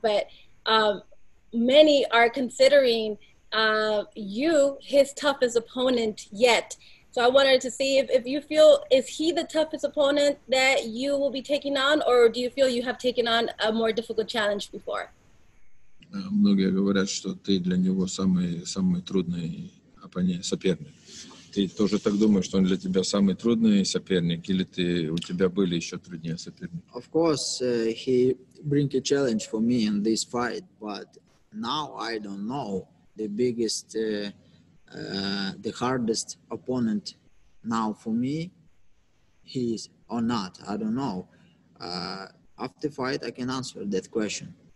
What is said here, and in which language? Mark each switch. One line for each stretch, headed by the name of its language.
English: But many are considering you his toughest opponent yet. So I wanted to see if you feel, is he the toughest opponent that you will be taking on, or do you feel you have taken on a more difficult challenge before?
Russian: Многие говорят, что ты для него самый трудный соперник. Ты тоже так думаешь, что он для тебя самый трудный соперник, или ты у тебя были еще труднее соперники?
English: Of course, he bring a challenge for me in this fight, but now I don't know the biggest, the hardest opponent now for me, he is or not. I don't know. After fight, I can answer that question.